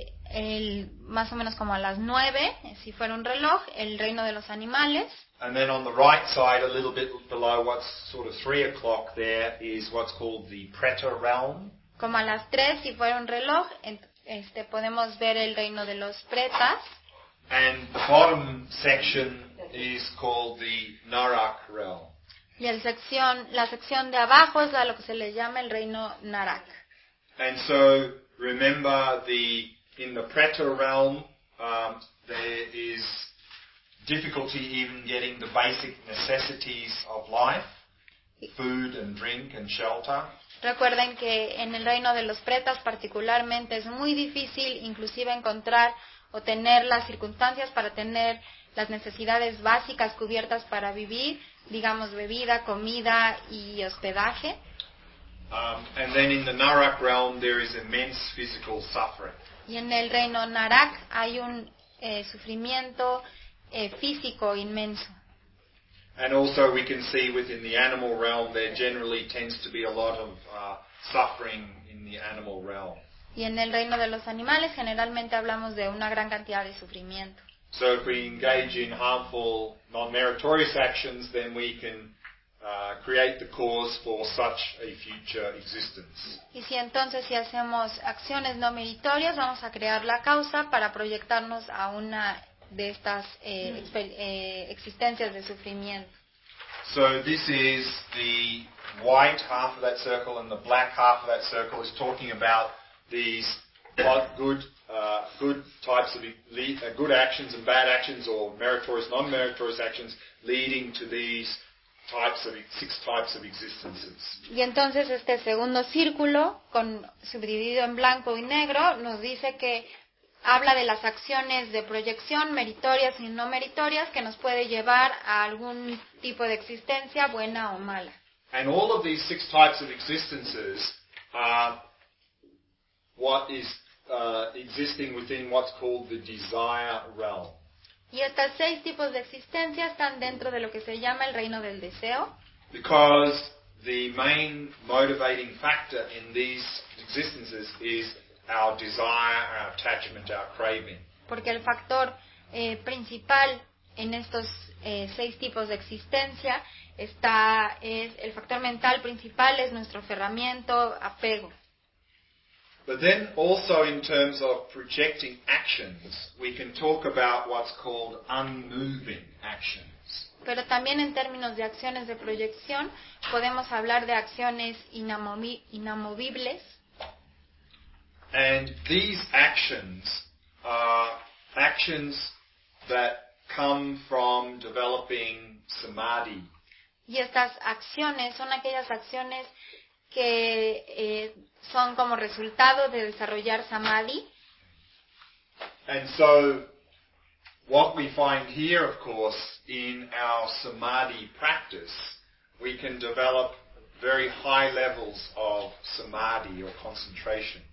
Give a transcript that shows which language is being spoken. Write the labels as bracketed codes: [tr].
[es] el más o menos como a las 9, si fuera un reloj, el reino de los animales. [en] And then on the right side, a little bit below what's sort of 3 o'clock there, is what's called the Preta realm. [es] Como a las 3, si fuera un reloj, podemos ver el reino de los pretas. [en] And the bottom section is called the Narak realm. [es] Y la sección de abajo es a lo que se le llama el reino Narak. [en] And so, remember in the Preta realm, there is difficulty even getting the basic necessities of life, food and drink and shelter. [es] Recuerden que en el reino de los pretas particularmente es muy difícil inclusive encontrar o tener las circunstancias para tener las necesidades básicas cubiertas para vivir, digamos bebida, comida y hospedaje. [en] And then in the Narak realm there is immense physical suffering. [es] Y en el reino Narak hay un sufrimiento físico inmenso. [en] And also we can see within the animal realm there generally tends to be a lot of suffering in the animal realm. [es] Y en el reino de los animales generalmente hablamos de una gran cantidad de sufrimiento. [en] So if we engage in harmful, non-meritorious actions, then we can create the cause for such a future existence. [es] Y si entonces si hacemos acciones no meritorias, vamos a crear la causa para proyectarnos a una de estas existencias de sufrimiento. [en] So this is the white half of that circle, and the black half of that circle is talking about these good types of good actions and bad actions, or meritorious, non-meritorious actions, leading to these six types of existences. [es] Y entonces este segundo círculo, subdividido en blanco y negro, nos dice que habla de las acciones de proyección, meritorias y no meritorias, que nos puede llevar a algún tipo de existencia, buena o mala. [en] And all of these six types of existences are what is existing within what's called the desire realm. [es] Y estas seis tipos de existencia están dentro de lo que se llama el reino del deseo. [en] Because the main motivating factor in these existences is our desire, our attachment, our craving. [es] Porque el factor principal en estos seis tipos de existencia es el factor mental principal, es nuestro aferramiento, apego. [en] But then also in terms of projecting actions, we can talk about what's called unmoving actions. [es] Pero también en términos de acciones de proyección, podemos hablar de acciones inamovibles. [en] And these actions are actions that come from developing samadhi. [es] Y estas acciones son aquellas acciones que son como resultado de desarrollar samadhi. [en] And so what we find here, of course, in our samadhi practice, we can develop very high levels of samadhi or concentration.